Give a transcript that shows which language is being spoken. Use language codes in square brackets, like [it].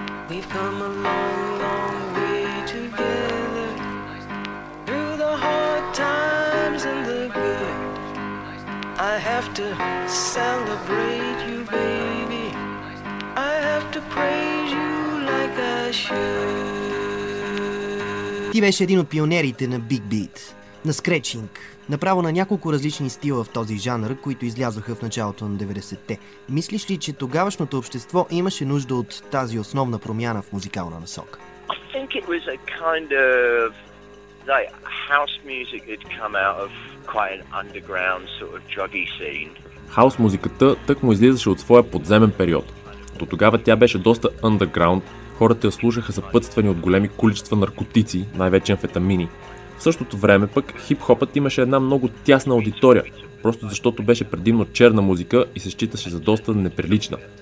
[en] We've come a long, long way together, through the hard times and the good. I have to celebrate you, baby. I have to praise you like I should. [bg] Ти беше един от пионерите на Big Beat, на скречинг. Направо на няколко различни стила в този жанр, които излязоха в началото на 90-те. Мислиш ли, че тогавашното общество имаше нужда от тази основна промяна в музикална насока? [en] I think it was a kind of like house music had come out of quite an underground sort of druggy scene. [bg] House музиката тъкмо излизаше от своя подземен период. До тогава тя беше доста underground. Хората я слушаха съпътствани от големи количества наркотици, най-вече амфетамини. В същото време пък хип-хопът имаше една много тясна аудитория, просто защото беше предимно черна музика и се считаше за доста неприлична.